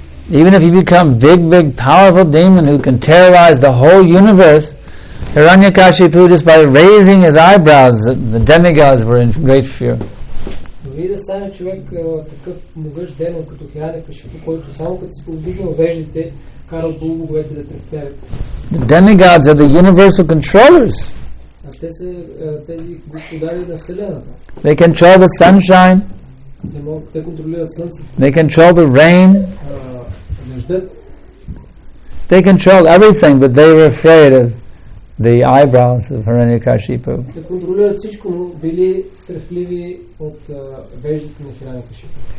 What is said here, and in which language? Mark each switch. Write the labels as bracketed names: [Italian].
[English] Even if you become big powerful demon who can terrorize the whole universe, Hiranyakashipu, just by raising his eyebrows, the demigods were in great fear. [Bulgarian] Дори да стане човек такъв могъщ демон като Хиранякашипу, който само като се повдигнал веждите, карал полубоговете да трептерят. [English] The demigods are the universal controllers. [Bulgarian] А те са тези господари на Вселената. [English] They control the sunshine. [Bulgarian] Те контролират слънцето. [English] They control the rain. [Bulgarian] Дъждът. [English] They control everything, but they were afraid of the eyebrows of Hiranyakashipu. [Bulgarian] Те контролират всичко, но били страхливи от веждите на Хиранякашипу.